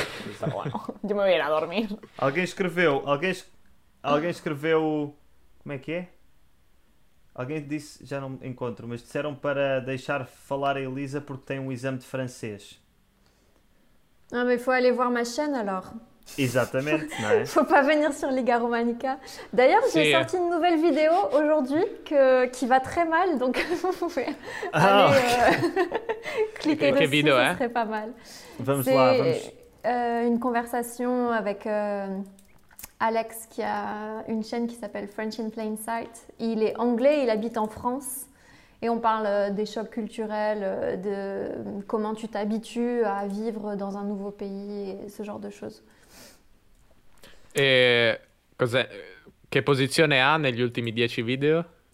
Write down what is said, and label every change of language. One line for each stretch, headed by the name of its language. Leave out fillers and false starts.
Spanish: Está bueno. Yo me voy a ir a dormir. Alguien escribió ¿cómo es que es? Alguien dice, ya no me encuentro, pero dijeron para dejar hablar a Elisa porque tiene un examen de francés.
French: Ah, pero faut aller voir ma chaîne alors.
Spanish: Exactamente, ¿no es?
French: Faut pas venir sur Liga Romanica. D'ailleurs, j'ai sorti une nouvelle vidéo aujourd'hui qui va très mal, donc vous pouvez cliquer dessus, vidéo, ça serait pas mal.
Spanish: Vamos
French: c'est là, une conversation avec Alex qui a une chaîne qui s'appelle French in Plain Sight. Il est anglais, il habite en France. Et on parle des chocs culturels, de comment tu t'habitues à vivre dans un nouveau pays et ce genre de choses.
Italian: E cos'è? Che posizione ha negli ultimi 10 video?